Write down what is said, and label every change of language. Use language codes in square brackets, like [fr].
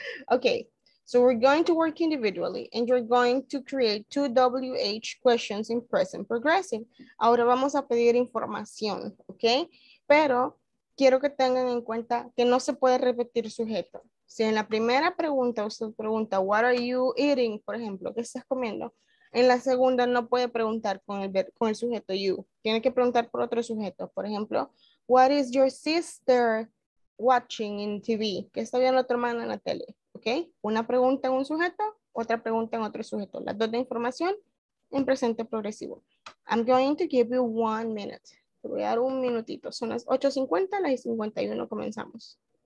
[en] Okay, so we're going to work individually and you're going to create two WH questions in present progressive. [es] Ahora vamos a pedir información, okay? Pero quiero que tengan en cuenta que no se puede repetir sujeto. Si en la primera pregunta usted pregunta, [en] what are you eating, [es] por ejemplo, ¿qué estás comiendo? En la segunda no puede preguntar con el sujeto you. Tiene que preguntar por otro sujeto. Por ejemplo, [en] what is your sister watching in TV? [es] ¿Qué está viendo otro hermano en la tele? ¿Ok? Una pregunta en un sujeto, otra pregunta en otro sujeto. Las dos de información en presente progresivo. [en] I'm going to give you 1 minute. [es] Te voy a dar un minutito. Son las 8:50, las 51 comenzamos.